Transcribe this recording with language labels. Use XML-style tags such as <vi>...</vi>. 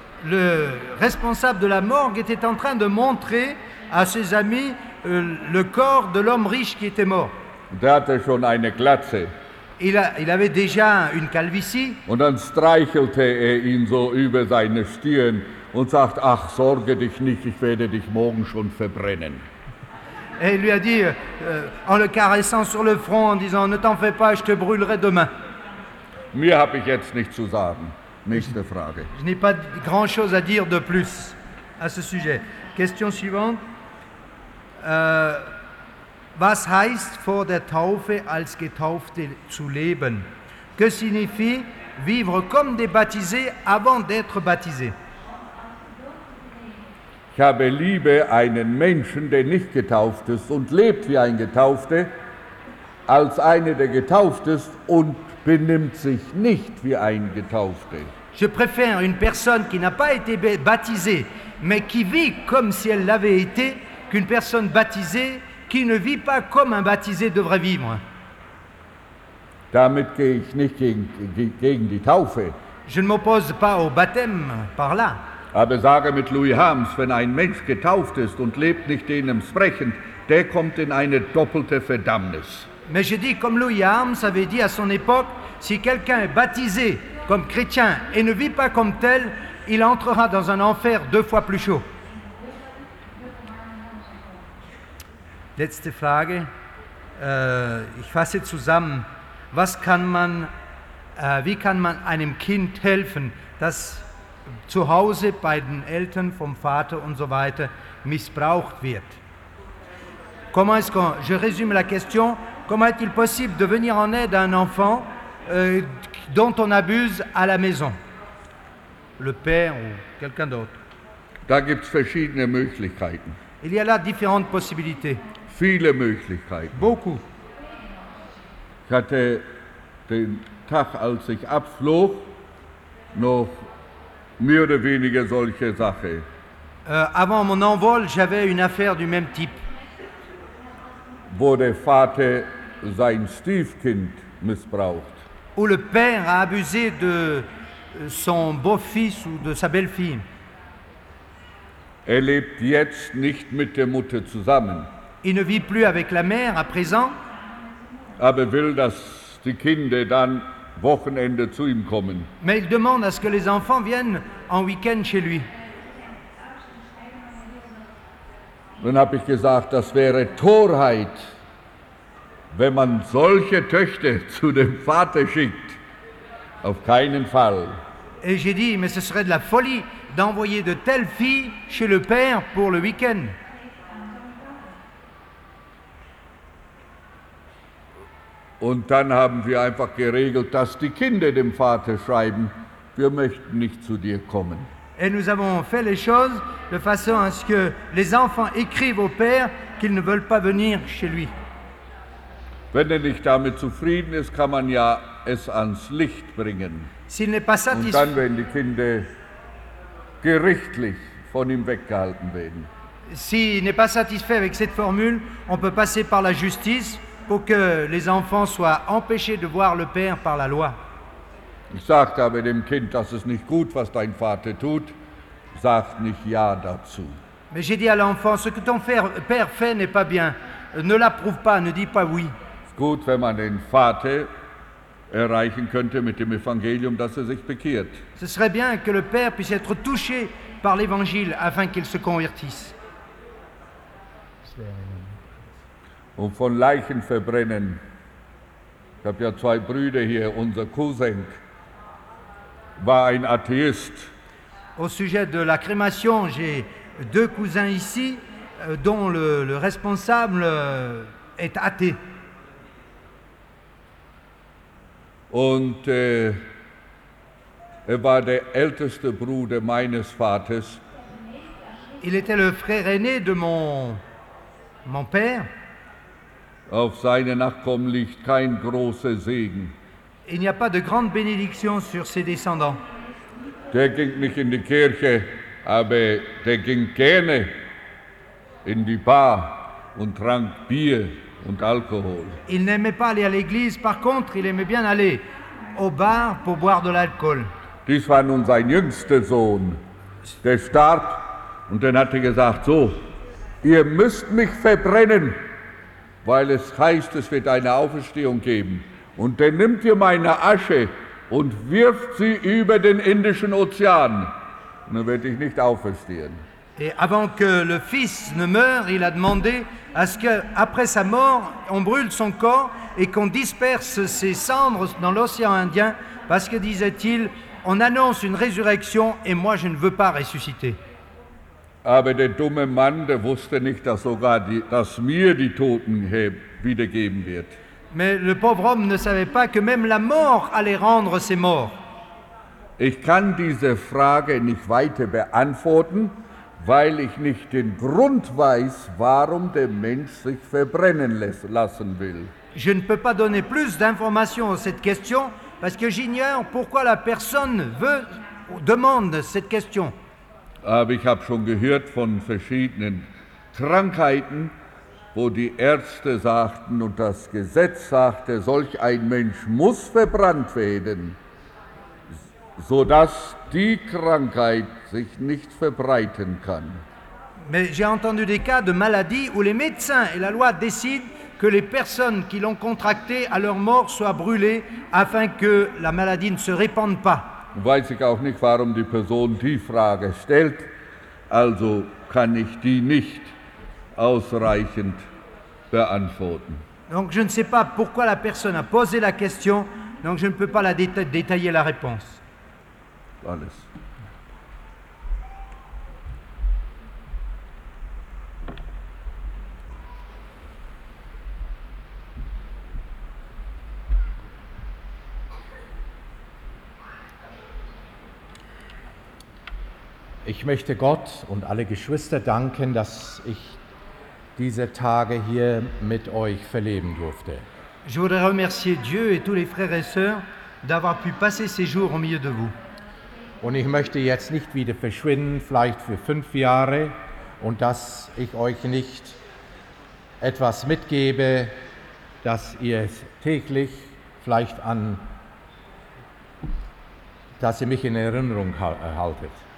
<fr>Le responsable de la morgue était en train de montrer à ses amis le corps de l'homme riche qui était mort.</fr> <de>Der hatte schon eine Glatze.</de> <fr>Il avait déjà une calvitie.</fr> <de>Und dann streichelte er ihn so über seine Stirn und sagt, ach, sorge dich nicht, ich werde dich morgen schon verbrennen.</de> <fr>Et il lui a dit, en le caressant sur le front, en disant, ne t'en fais pas, je te brûlerai demain.</fr> <de>Mir habe ich jetzt nichts zu sagen. Nächste Frage.</de> <fr>Je n'ai pas grand chose à dire de plus à ce sujet. Question suivante.</fr> <de>Was heißt vor der Taufe als Getaufte zu leben?</de> <fr>Que signifie vivre comme des baptisés avant d'être baptisé?</fr> <de>Ich habe Liebe einen Menschen, der nicht getauft ist und lebt wie ein Getaufter, als eine, der getauft ist und benimmt sich nicht wie ein Getaufter.</de> <fr>Je préfère une personne qui n'a pas été baptisée, mais qui vit comme si elle l'avait été, qu'une personne baptisée qui ne vit pas comme un baptisé devrait vivre.</fr> <de>Damit gehe ich nicht gegen die Taufe.</de> <fr>Je ne m'oppose pas au baptême par là.</fr> <de>Aber sage mit Louis Harms, wenn ein Mensch getauft ist und lebt nicht denen sprechend, der kommt in eine doppelte Verdammnis.</de> <fr>Mais je dis comme Louis Harms avait dit à son époque, si quelqu'un est baptisé comme chrétien et ne vit pas comme tel, il entrera dans un enfer deux fois plus chaud.</fr> <de>Letzte Frage. Ich fasse zusammen. Was kann man, wie kann man einem Kind helfen, das zu Hause bei den Eltern, vom Vater und so weiter missbraucht wird?</de> <fr>Comment est-ce qu'on, je résume la question, comment est-il possible de venir en aide à un enfant dont on abuse à la maison? Le père ou quelqu'un d'autre?</fr> <de>Da gibt's verschiedene Möglichkeiten.</de> <fr>Il y a là différentes possibilités.</fr> <de>Viele Möglichkeiten.</de> <fr>Beaucoup.</fr> <de>Ich hatte den Tag, als ich abflog, noch mehr oder weniger solche Sache.</de> <fr>Avant mon envol, j'avais une affaire du même type.</fr> <de>Wo der Vater sein Stiefkind missbraucht.</de> <fr>Où le père a abusé de son beau-fils ou de sa belle-fille.</fr> <de>Er lebt jetzt nicht mit der Mutter zusammen.</de> <fr>Il ne vit plus avec la mère à présent.</fr> <de>Aber will, dass die Kinder dann Wochenende zu ihm kommen.</de> <fr>Mais il demande à ce que les enfants viennent en week-end chez lui.</fr> <de>Dann habe ich gesagt, das wäre Torheit, wenn man solche Töchter zu dem Vater schickt. Auf keinen Fall.</de> <fr>Et j'ai dit, mais ce serait de la folie d'envoyer de telles filles chez le père pour le week-end.</fr> <de>Und dann haben wir einfach geregelt, dass die Kinder dem Vater schreiben, wir möchten nicht zu dir kommen.</de> <fr>Et nous avons fait les choses de façon à ce que les enfants écrivent au père qu'ils ne veulent pas venir chez lui.</fr> <de>Wenn er nicht damit zufrieden ist, kann man ja es ans Licht bringen.</de> <fr>S'il n'est pas satisfait.</fr> <de>Und dann, wenn die Kinder gerichtlich von ihm weggehalten werden.</de> <fr>S'il n'est pas satisfait avec cette formule, on peut passer par la justice pour que les enfants soient empêchés de voir le père par la loi.</fr> <de>Ich sagte aber dem Kind, das ist nicht gut, was dein Vater tut. Sag nicht ja dazu.</de> <fr>Mais j'ai dit à l'enfant, ce que ton père fait n'est pas bien. Ne l'approuve pas, ne dis pas oui.</fr> <de>Gut, wenn man den Vater erreichen könnte mit dem Evangelium, dass sich bekehrt.</de> <fr>Ce serait bien que le père puisse être touché par l'évangile afin qu'il se convertisse.</fr> <de>Und von Leichen verbrennen. Ich habe ja zwei Brüder hier, unser Cousin war ein Atheist.</de> <fr>Au sujet de la crémation, j'ai deux cousins ici dont le responsable est athée.</fr> <de>Und war der älteste Bruder meines Vaters.</de> <fr>Il était le frère aîné de mon père.</fr> <de>Auf seine Nachkommen liegt kein großer Segen.</de> <fr>Il n'y a pas de grande bénédiction sur ses descendants.</fr> <de>Der ging nicht in die Kirche, aber der ging gerne in die Bar und trank Bier und Alkohol.</de> <fr>Il n'aimait pas aller à l'église, par contre, il aimait bien aller au bar pour boire de l'alcool.</fr> <de>Dies war nun sein jüngster Sohn. Der starb und dann hat er gesagt, so, ihr müsst mich verbrennen, weil es heißt, es wird eine Auferstehung geben. Und dann nimmt ihr meine Asche und wirft sie über den Indischen Ozean. Und dann werde ich nicht auferstehen.</de> <fr>Et avant que le fils ne meure, il a demandé à ce que, après sa mort, on brûle son corps et qu'on disperse ses cendres dans l'océan Indien, parce que, disait-il, on annonce une résurrection et moi je ne veux pas ressusciter.</fr> <de>Aber der dumme Mann, der wusste nicht, dass sogar dass mir die Toten wiedergeben wird.</de> <fr>Mais le pauvre homme ne savait pas que même la mort allait rendre ses morts.</fr> <de>Ich kann diese Frage nicht weiter beantworten, weil ich nicht den Grund weiß, warum der Mensch sich verbrennen lassen will.</de> <fr>Je ne peux pas donner plus d'informations à cette question parce que j'ignore pourquoi la personne demande cette question.</fr> <de>Aber ich habe schon gehört von verschiedenen Krankheiten, wo die Ärzte sagten und das Gesetz sagte, solch ein Mensch muss verbrannt werden, sodass die Krankheit sich nicht verbreiten kann.</de> <fr>Mais j'ai entendu des cas de maladies où les médecins et la loi décident que les personnes qui l'ont contracté à leur mort soient brûlées afin que la maladie ne se répande pas.</fr> <de>Weiß ich auch nicht, warum die Person die Frage stellt, also kann ich die nicht ausreichend beantworten.</de> <fr>Donc je ne sais pas pourquoi la personne a posé la question, donc je ne peux pas la détailler la réponse.</fr> <de>Alles. Ich möchte Gott und alle Geschwister danken, dass ich diese Tage hier mit euch verleben durfte.</de> <fr>Je voudrais remercier Dieu et tous les frères et sœurs d'avoir pu passer ces jours au milieu de vous.</fr> <de>Und ich möchte jetzt nicht wieder verschwinden, vielleicht für 5 Jahre, und dass ich euch nicht etwas mitgebe, dass ihr täglich vielleicht an, dass ihr mich in Erinnerung haltet.</de>